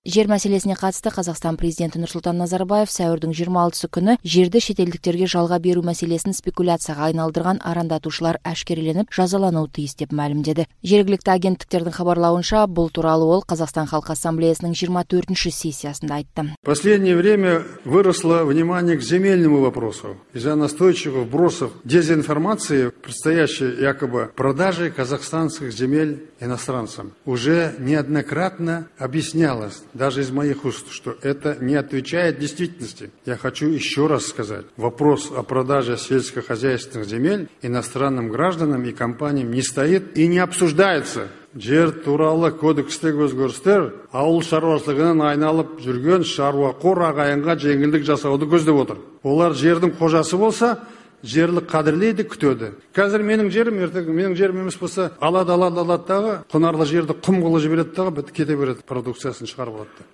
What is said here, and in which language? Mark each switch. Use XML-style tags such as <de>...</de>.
<kk>Жер мәселесіне қатысты Қазақстан президенті Нұрсұлтан Назарбаев сәуірдің 26 күні жерді шетелдіктерге жалға беру мәселесін спекуляцияға айналдырған арандатушылар әшкереленіп жазалануы тиіс деп мәлімдеді. Жергілікті агенттіктердің хабарлауынша, бұл туралы ол Қазақстан Халқы Ассамблеясының 24-ші сессиясында айтты.</kk> <ru>Последнее время выросло внимание к земельному вопросу из-за настойчивых вбросов дезинформации предстоящие якобы продажи казахстанских земель иностранцам. Уже неоднократно объяснялось, даже из моих уст, что это не отвечает действительности. Я хочу еще раз сказать, вопрос о продаже сельскохозяйственных земель иностранным гражданам и компаниям не стоит и не обсуждается.</ru> <kk>Жер туралы кодекстегі өзгерістер ауыл шаруашылығынан айналып жүрген шаруақор ағайынға жеңілдік жасауды көздеп отыр. Олар жердің қожасы болса, жерлік қадірлейді, күтеді. Қазір менің жерім, ертең менің жерім емес болса, алады-алады-алады-тағы құнарлы жерді құм қылып жібереді-тағы бітіп кете береді, продукциясын шығарып алады.</kk>